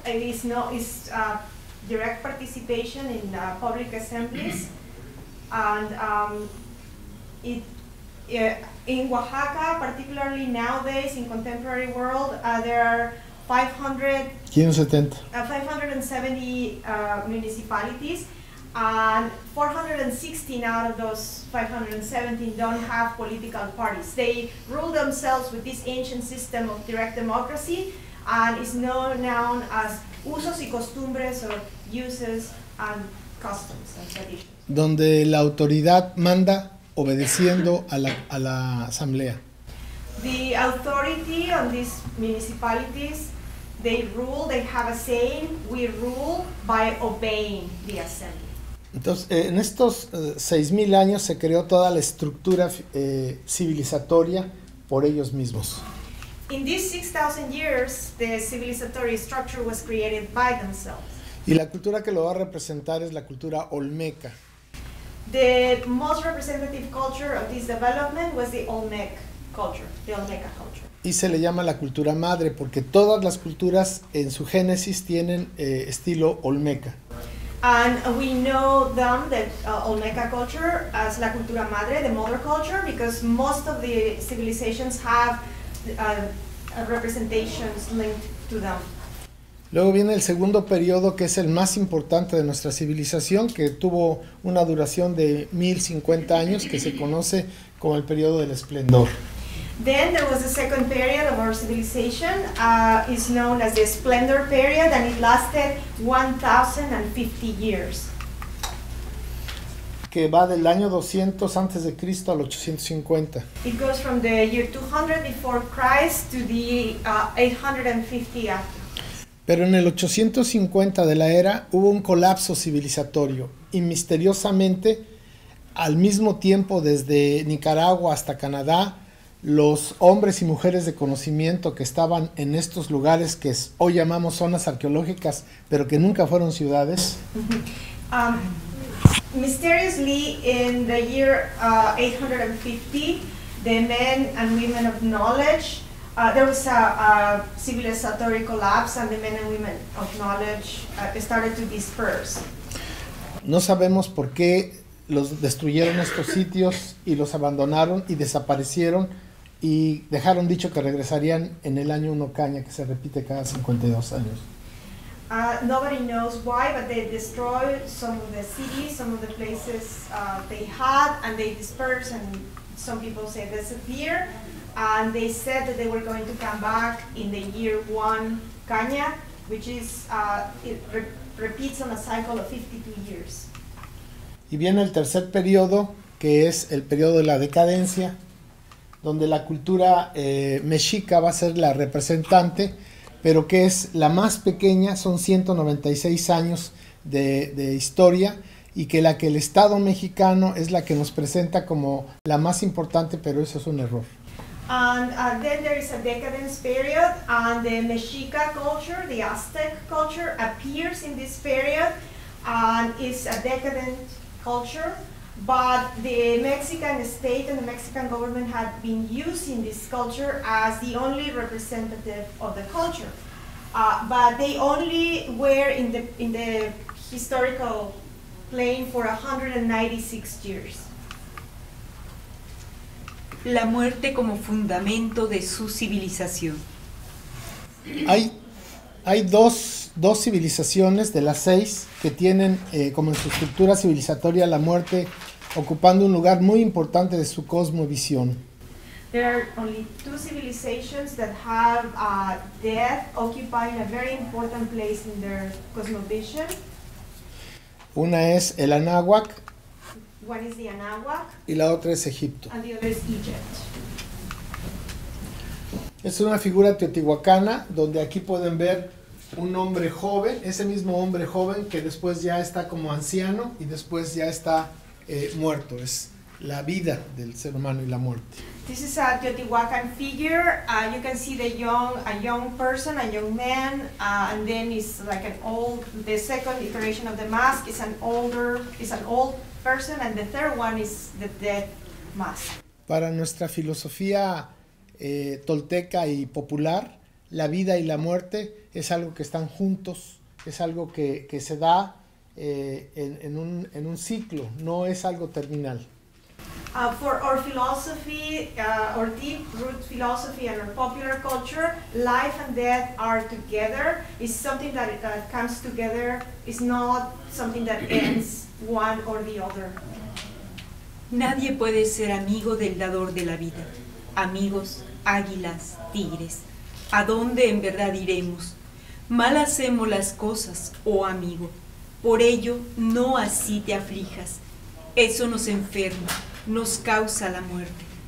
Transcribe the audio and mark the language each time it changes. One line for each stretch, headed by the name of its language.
English: It is no is direct participation in public assemblies, and in Oaxaca, particularly nowadays in contemporary world, there are 570 municipalities, and 416 out of those 517 don't have political parties. They rule themselves with this ancient system of direct democracy, and is known as
Spanish: usos y costumbres,
English: or uses and customs and traditions.
Spanish: Donde la autoridad manda obedeciendo a la asamblea.
English: The authority on these municipalities, they rule, they have a saying, we rule by obeying the assembly.
Spanish: Entonces, en estos 6,000 años se creó toda la estructura civilizatoria por ellos mismos.
English: In these 6,000 years, the civilizatory structure was created by themselves.
Spanish: Y la cultura que lo va a representar es la cultura olmeca.
English: The most representative culture of this development was the Olmec culture, the Olmeca culture.
Spanish: Y se le llama la cultura madre porque todas las culturas en su génesis tienen estilo olmeca.
English: And we know them, that Olmeca culture, as
Spanish: la cultura madre,
English: the mother culture, because most of the civilizations have representations linked to them.
Spanish: Luego viene el segundo periodo, que es el más importante de nuestra civilización, que tuvo una duración de 1050 años, que se conoce como el periodo del esplendor.
English: Then there was a second period of our civilization, is known as the Splendor period, and it lasted 1,050 years.
Spanish: Que va del año 200 antes de Cristo al 850.
English: It goes from the year 200 before Christ to the 850 after.
Spanish: Pero en el 850 de la era hubo un colapso civilizatorio, y misteriosamente, al mismo tiempo, desde Nicaragua hasta Canadá, los hombres y mujeres de conocimiento que estaban en estos lugares que hoy llamamos zonas arqueológicas, pero que nunca fueron ciudades.
English: Mysteriously, in the year 850, the men and women of knowledge, there was a civilizatory collapse, and the men and women of knowledge started to disperse.
Spanish: No sabemos por qué los destruyeron estos sitios y los abandonaron y desaparecieron. Y dejaron dicho que regresarían en el año uno caña, que se repite cada 52 años.
English: Nobody knows why, but they destroyed some of the cities, some of the places they had, and they dispersed, and some people say disappear, and they said that they were going to come back in the year one caña, which is it repeats on a cycle of 52 years.
Spanish: Y viene el tercer periodo, que es el periodo de la decadencia, donde la cultura mexica va a ser la representante, pero que es la más pequeña, son 196 años de historia, y que la que el Estado mexicano es la que nos presenta como la más importante, pero eso es un error.
English: And then there is a decadence period, and the Mexica culture, the Aztec culture, appears in this period, and is a decadent culture. But the Mexican state and the Mexican government have been using this culture as the only representative of the culture. But they only were in the historical plane for 196 years.
Spanish: La muerte como fundamento de su civilización. Hay dos civilizaciones de las seis que tienen como en su estructura civilizatoria la muerte ocupando un lugar muy importante de su cosmovisión.
English: There are only two civilizations that have death occupying a very important place in their cosmovision.
Spanish: Una es el Anáhuac.
English: One is the Anáhuac.
Spanish: Y la otra es Egipto.
English: And the other is Egypt.
Spanish: Es una figura teotihuacana donde aquí pueden ver un hombre joven, ese mismo hombre joven que después ya está como anciano y después ya está muerto, es la vida del ser humano y la muerte.
English: This is a Teotihuacan figure. You can see the young, a young person, a young man, and then it's like an old, the second iteration of the mask is an older, is an old person, and the third one is the dead mask.
Spanish: Para nuestra filosofía tolteca y popular, la vida y la muerte es algo que están juntos, es algo que se da en un ciclo, no es algo terminal.
English: For our philosophy, our deep root philosophy and our popular culture, life and death are together. It's something that comes together. It's not something that ends one or the other.
Spanish: Nadie puede ser amigo del dador de la vida. Amigos, águilas, tigres. ¿A dónde en verdad iremos? Mal hacemos las cosas, oh amigo. Por ello, no así te aflijas. Eso nos enferma, nos causa la muerte.